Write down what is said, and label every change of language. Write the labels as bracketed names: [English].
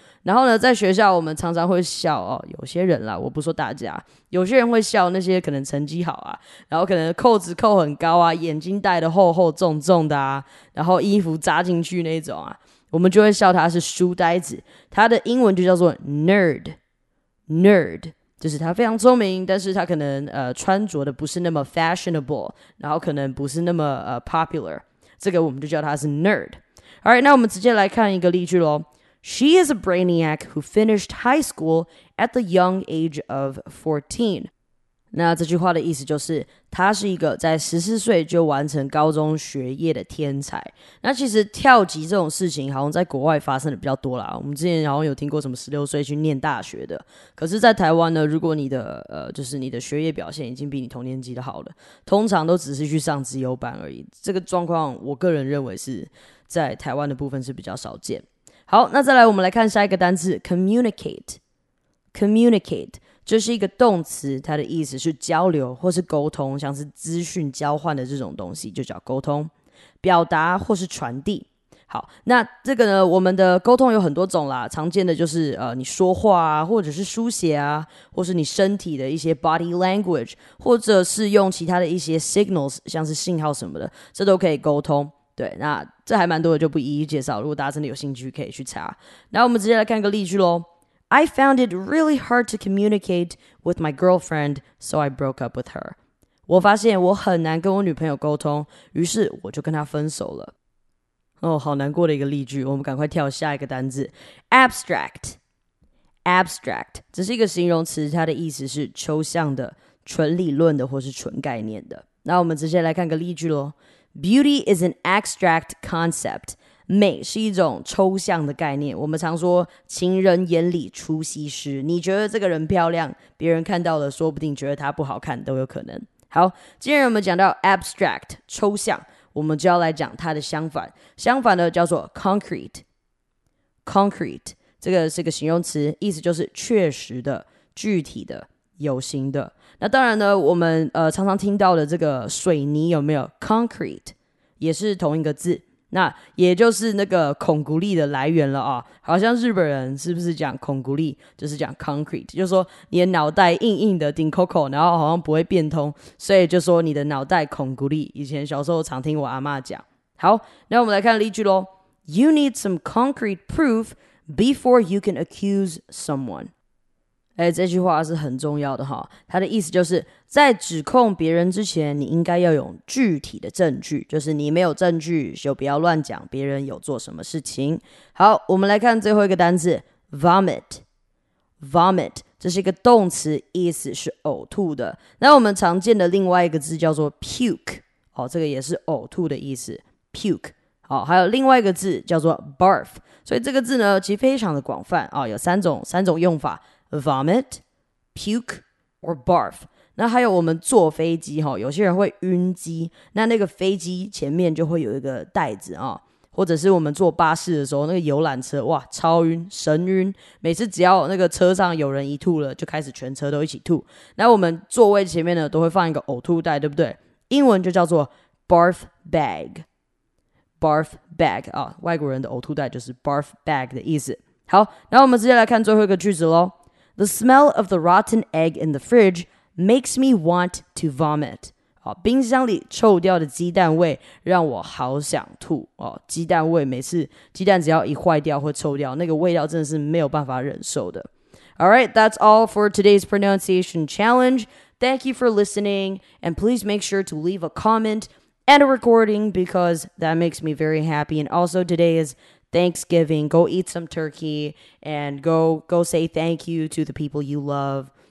[Chinese] 然后呢，在学校我们常常会笑哦，有些人啦，我不说大家，有些人会笑那些可能成绩好啊，然后可能扣子扣很高啊，眼睛戴的厚厚重重的啊，然后衣服扎进去那种啊，我们就会笑他是书呆子。他的英文就叫做 nerd， 就是他非常聪明，但是他可能穿着的不是那么 fashionable， 然后可能不是那么popular， 这个我们就叫他是 nerd。 [English] All right， [Chinese] 那我们直接来看一个例句咯。 [English] She is a brainiac who finished high school at the young age of 14. [Chinese] 那这句话的意思就是，她是一个在14岁就完成高中学业的天才。那其实跳级这种事情好像在国外发生的比较多啦，我们之前好像有听过什么16岁去念大学的。可是在台湾呢，如果你的就是你的学业表现已经比你同年级的好了，通常都只是去上资优班而已。这个状况我个人认为是在台湾的部分是比较少见。好，那再来我们来看下一个单词 communicate。communicate 这是一个动词，它的意思是交流或是沟通，像是资讯交换的这种东西就叫沟通，表达或是传递。好，那这个呢，我们的沟通有很多种啦，常见的就是你说话啊，或者是书写啊，或是你身体的一些 body language， 或者是用其他的一些 signals， 像是信号什么的，这都可以沟通。对，那这还蛮多的，就不一一介绍。如果大家真的有兴趣，可以去查。那我们直接来看个例句咯。 [English] I found it really hard to communicate with my girlfriend, so I broke up with her. [Chinese] 我发现我很难跟我女朋友沟通，于是我就跟她分手了。哦，好难过的一个例句。我们赶快跳下一个单字。 [English] Abstract. [Chinese] Abstract 这是一个形容词，它的意思是抽象的、纯理论的或是纯概念的。那我们直接来看个例句咯。 [English] Beauty is an abstract concept. [Chinese] 美是一种抽象的概念。我们常说情人眼里出西施，你觉得这个人漂亮，别人看到了说不定觉得她不好看都有可能。好，今天我们讲到 abstract 抽象，我们就要来讲它的相反。相反的叫做 concrete。concrete 这个是个形容词，意思就是确实的、具体的、有形的。那当然呢，我们常常听到的这个水泥有没有 concrete 也是同一个字，那也就是那个孔骨力的来源了啊。好像日本人是不是讲孔骨力就是讲 concrete， 就是说你的脑袋硬硬的顶 coco， 然后好像不会变通，所以就说你的脑袋孔骨力。以前小时候常听我阿嬷讲。好，那我们来看例句咯。 [English] You need some concrete proof before you can accuse someone。 [Chinese] 哎，这句话是很重要的哈，它的意思就是在指控别人之前，你应该要有具体的证据，就是你没有证据就不要乱讲别人有做什么事情。好，我们来看最后一个单字 vomit。vomit 这是一个动词，意思是呕吐的。那我们常见的另外一个字叫做 puke， 哦，这个也是呕吐的意思 puke。好，还有另外一个字叫做 barf， 所以这个字呢其实非常的广泛哦，有三种用法， [English] vomit, puke, or barf. [Chinese] 那还有我们坐飞机哈，有些人会晕机，那个飞机前面就会有一个袋子啊，或者是我们坐巴士的时候，那个游览车哇，超晕，神晕，每次只要那个车上有人一吐了，就开始全车都一起吐。那我们座位前面呢，都会放一个呕吐袋，对不对？英文就叫做 barf bag, barf bag 啊，外国人的呕吐袋就是 barf bag 的意思。好，那我们直接来看最后一个句子咯。 [English] The smell of the rotten egg in the fridge makes me want to vomit. [Chinese] 哦，冰箱里臭掉的鸡蛋味让我好想吐。哦，鸡蛋味，每次鸡蛋只要一坏掉或臭掉，那个味道真的是没有办法忍受的。 [English] All right, that's all for today's pronunciation challenge. Thank you for listening, and please make sure to leave a comment and a recording because that makes me very happy. And also today is Thanksgiving. Go eat some turkey and go say thank you to the people you love.